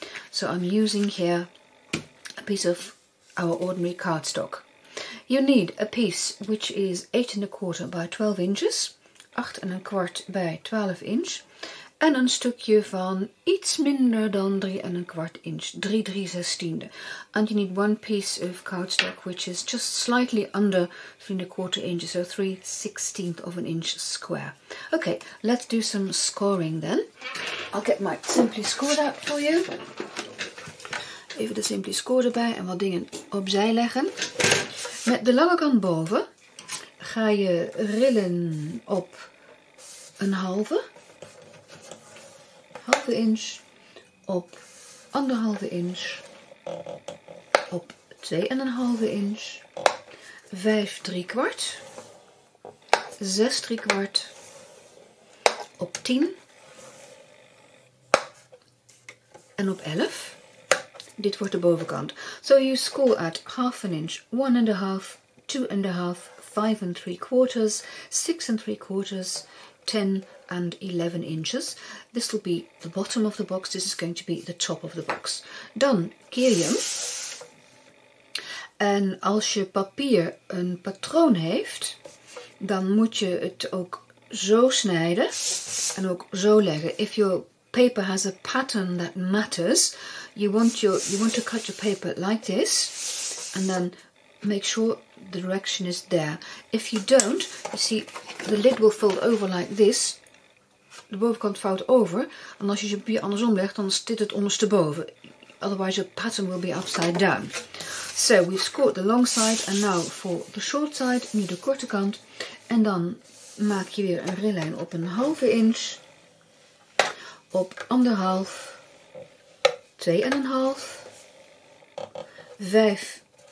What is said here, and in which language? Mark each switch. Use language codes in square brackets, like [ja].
[en] So I'm using here a piece of our ordinary cardstock. You need a piece which is 8¼ by 12 inches. 8¼ by 12 inch. [nl] En een stukje van iets minder dan 3¼ inch. 3¾. [en] And you need one piece of cardstock which is just slightly under 3¼ inches. So 3/16 of an inch square. Okay, let's do some scoring then. I'll get my Simply Score out for you. [nl] Even de Simply Score erbij en wat dingen opzij leggen. Met de lange kant boven ga je rillen op een halve inch, op anderhalve inch, op 2½ inch, 5¾, 6¾, op 10 en op 11. Dit wordt de bovenkant. [en] So you score at 1/2 inch, 1½, 2½, 5¾, 6¾, 10 and 11 inches. This will be the bottom of the box. This is going to be the top of the box. [nl] Dan keer je hem. En als je papier een patroon heeft, dan moet je het ook zo snijden en ook zo leggen. [en] If your paper has a pattern that matters, you want to cut your paper like this and then make sure the direction is there. If you don't, you see the lid will fold over like this. [nl] De bovenkant vouwt over. En als je je papier andersom legt, dan zit het ondersteboven. [en] Otherwise your pattern will be upside down. So we've scored the long side and now for the short side, [nl] nu de korte kant. En dan maak je weer een rillijn op 1/2 inch, op 1½, 2½, 5¾.